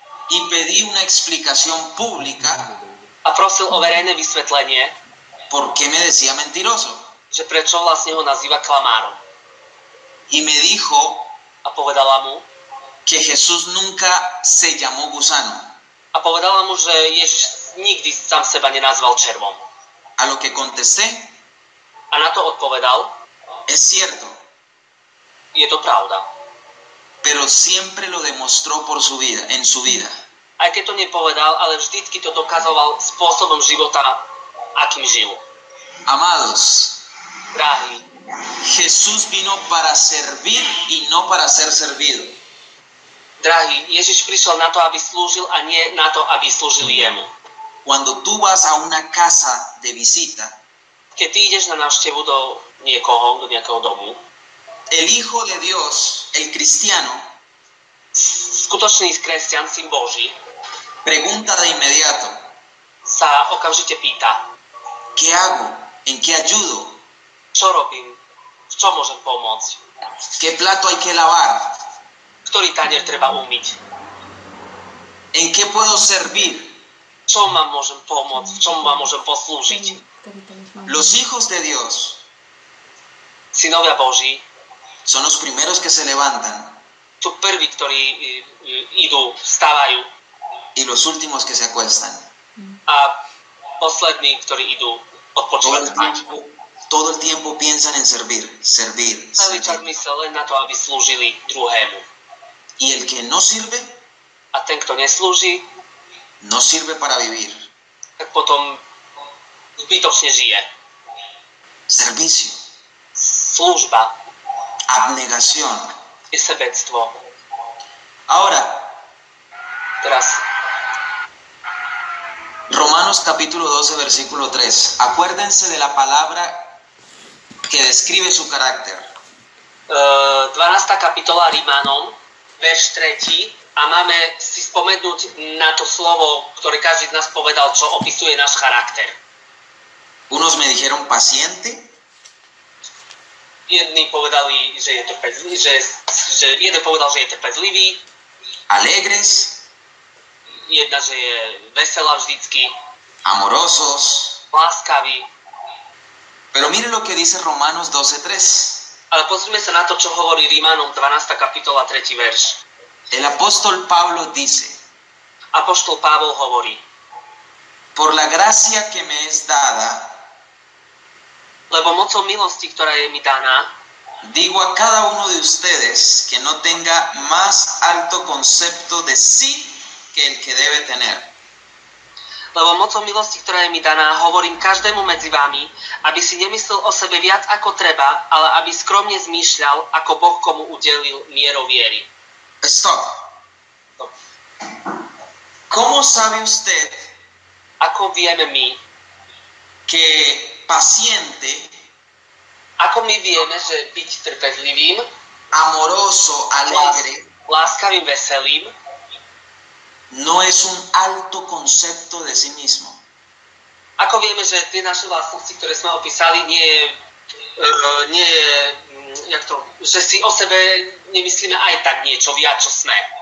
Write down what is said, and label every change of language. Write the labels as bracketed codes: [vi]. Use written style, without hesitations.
[es] Y pedí una explicación pública. [sk] A prosil o verejné vysvetlenie. [es] ¿Por qué me decía mentiroso? [sk] Že prečo vlastne ho nazýva klamárom. [es] Y me dijo. [sk] A povedala mu. [es] Que Jesús nunca se llamó gusano. [sk] A povedala mu, že Ježiš nikdy sám seba nenazval červom. [es] A lo que contesté. [sk] A na to odpovedal. [es] Es cierto. [sk] Je to pravda. [es] Pero siempre lo demostró por su vida, en su vida. [sk] Aj keď to nepovedal, ale vždycky to dokazoval spôsobom života, akým žil. [es] Amados. [sk] Drahí. [es] Jesús vino para servir y no para ser servido. [sk] Drahí, Ježiš prišiel na to, aby slúžil, a nie na to, aby slúžili jemu. [es] Cuando tú vas a una casa de visita, [sk] keď ty ideš na návštevu do niekoho, do nejakého domu, [es] el hijo de Dios, el cristiano, [sk] skutočný kresťan, syn Boží, [es] pregunta de inmediato, [sk] sa okamžite pýta, [es] ¿qué hago? ¿En qué ayudo? [sk] Čo robím? V čom môžem pomôcť? [es] ¿Qué plato hay que lavar? [sk] Ktorý tanier treba umyť? [es] ¿En qué puedo servir? [sk] Čom vám môžem pomôcť? V čom vám môžem poslúžiť? [es] Los hijos de Dios, [sk] synovia Boží, [es] son los primeros que se levantan. [sk] Tu prví, ktorí idú, vstávajú. [es] Y los últimos que se acuestan. [sk] A poslední, ktorí idú odpočívať. [es] Todo el tiempo piensan en servir, servir, servir. [sk] Celý čas myslel len na to, aby slúžili druhému. [es] Y el que no sirve, [sk] a ten, kto neslúži, [es] no sirve para vivir. [sk] Tak potom zbytočne žije. [es] Servicio. [sk] Služba. [es] Abnegación. [sk] Je sebectvo. [es] Ahora. [sk] Teraz. [es] Romanos capítulo 12, versículo 3. Acuérdense de la palabra que describe su carácter. [sk] 12. Kapitola Rimanom, verš 3. A máme si spomenúť na to slovo, ktoré každý z nás povedal, čo opisuje náš charakter. [es] Unos me dijeron paciente. [sk] Jedni povedali, že je trpezlivý, že jeden povedal, že je trpezlivý. [es] Alegres. [sk] Jedna, že je veselá vždycky. [es] Amorosos. [sk] Láskaví. [es] Pero mire lo que dice Romanos 12:3. [sk] Ale pozrime sa na to, čo hovorí Rímanom 12. kapitola 3. verš. [es] El apóstol Pablo dice. [sk] Apóstol Pavol hovorí. [es] Por la gracia que me es dada. [sk] Lebo mocou milosti, ktorá je mi daná. [es] Digo a cada uno de ustedes que no tenga más alto concepto de sí que el que debe tener. [sk] Lebo mocou milosti, ktorá je mi daná, hovorím každému medzi vami, aby si nemyslel o sebe viac ako treba, ale aby skromne zmýšľal, ako Boh komu udelil mieru viery. [en] Stop. [es] ¿Cómo sabe usted? [sk] Ako vieme my? [es] Que paciente. [sk] Ako my vieme, že byť trpezlivým? [es] Amoroso, alegre. [sk] Láskavým, veselým. [es] No es un alto concepto de sí mismo. [sk] Ako vieme, že tie naše vlastnosti, ktoré sme opísali, že si o sebe nemyslíme aj tak niečo viac, čo sme.